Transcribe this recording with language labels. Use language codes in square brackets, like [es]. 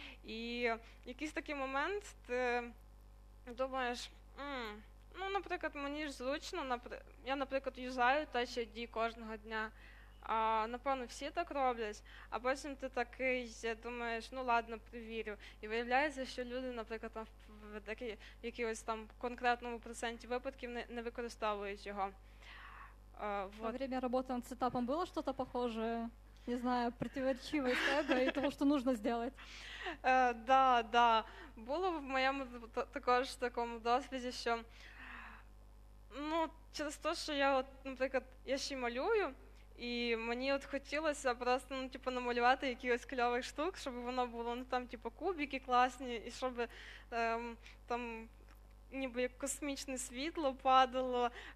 [uk] І якийсь такий момент ти думаєш, ну, наприклад, мені ж зручно, я, наприклад, юзаю Touch ID кожного дня, а, напевно, всі так роблять, а потім ти такий думаєш, ну, ладно, перевірю. І виявляється, що люди, наприклад, там, в якійсь там конкретному проценті випадків не використовують його. [ru] Во время работы над сетапом было что-то похожее, не знаю, противоречивое с эго и того, что нужно сделать? Да, да. [uk] Было в моем також таком досвіді, що ну, через то, що я, от, наприклад, я ще малюю, і мені от хотілося просто ну, типу, намалювати якихось кльових штук, щоб воно було ну, там, типу, кубики класні, і щоб там ніби як космічне світло падало.